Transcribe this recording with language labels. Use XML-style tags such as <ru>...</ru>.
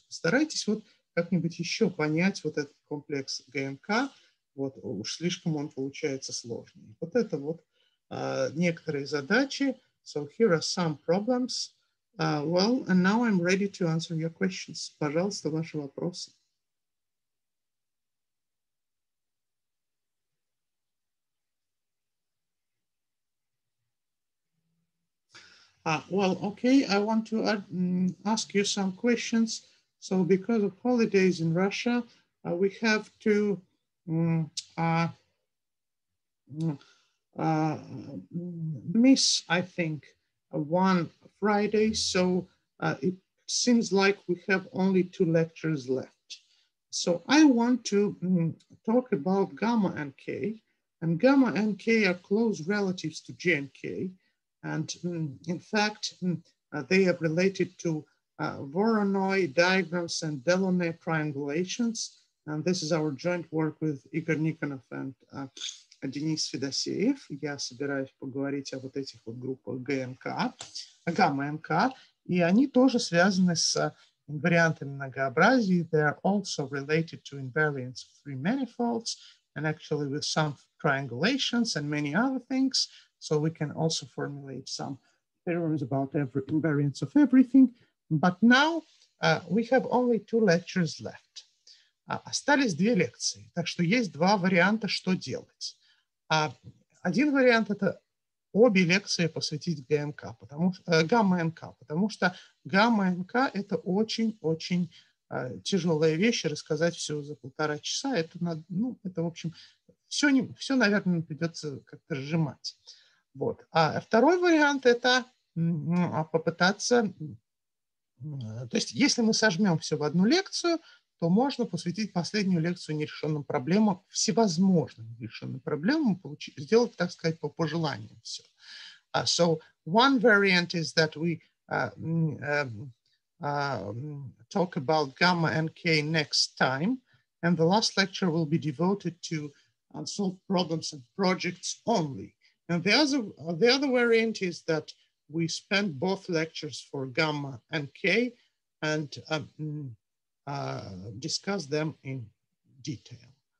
<ru>Постарайтесь вот как-нибудь еще понять вот этот комплекс ГМК. Вот уж слишком он получается сложный. Вот это вот некоторые задачи.</ru> <en>So here are some problems. Well, and now I'm ready to answer your questions.</en> <ru>Пожалуйста, ваши вопросы.</ru> <en>Well, okay, I want to ask you some questions. So because of holidays in Russia, we have to miss, I think, one Friday, so it seems like we have only two lectures left. So I want to talk about gamma and K, and gamma and K are close relatives to J and K, and in fact, they are related to Voronoi diagrams and Delaunay triangulations, and this is our joint work with Igor Nikonov and Денис Федосеев.</en> <ru>Я собираюсь поговорить о вот этих вот группах ГМК, гамма-НК, и они тоже связаны с инвариантами многообразия.</ru> <en>They are also related to invariants of three manifolds and actually with some triangulations and many other things. So we can also formulate some theorems about every invariants of everything. But now we have only two lectures left.</en> <ru>Остались две лекции, так что есть два варианта, что делать. Один вариант – это обе лекции посвятить ГМК, потому что гамма-НК, потому что гамма-НК – это очень-очень тяжелые вещи, рассказать все за полтора часа, это надо, ну, это, в общем, все, не, все, наверное, придется как-то сжимать. Вот. А второй вариант – это попытаться, то есть если мы сожмем все в одну лекцию, то можно посвятить последнюю лекцию нерешенным проблемам, всевозможным нерешенным проблемам, получить, сделать, так сказать, по пожеланиям все.</ru> <en>So one variant is that we talk about gamma and k next time, and the last lecture will be devoted to unsolved problems and projects only. And the other variant is that we spend both lectures for gamma and k and discuss them in detail.</en>